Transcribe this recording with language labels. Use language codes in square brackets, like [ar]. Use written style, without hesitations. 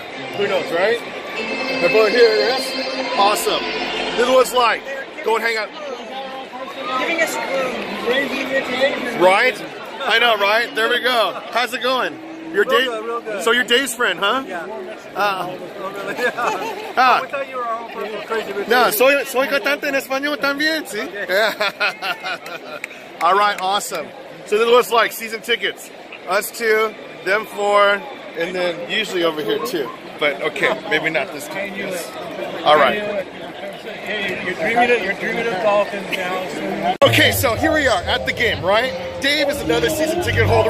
[en] Who knows, right? They're both here, yes? Awesome. This is what it's like. Go and hang out. Giving us right? I know, right? There we go. How's it going? Your real day? Good, real good. So you're Dave's friend, huh? Yeah. We thought you were our own crazy bitch. [es] No, soy cantante en español también, sí? [en] All right, awesome. So this is what it's like, season tickets. Us two, them four, and then usually over here too. But okay, maybe not this time. Yes. All right. You're dreaming of dolphins now. Okay, so here we are at the game, right? Dave is another season ticket holder.